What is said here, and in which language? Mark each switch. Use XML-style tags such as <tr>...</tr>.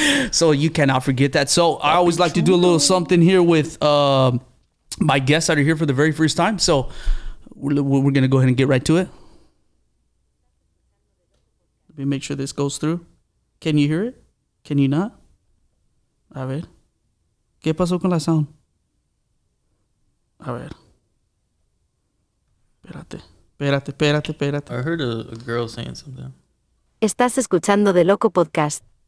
<en>So you cannot forget that. So papi, I always like chulo to do a little something here with my guests that are here for the very first time. So we're gonna go ahead and get right to it. Let me make sure this goes through. Can you hear it? Can you not?</en> <es>A ver, ¿qué pasó con la sound? A ver, espérate.</es> <en>I heard a girl saying something.</en> <es>Estás escuchando The Loco Podcast.</es>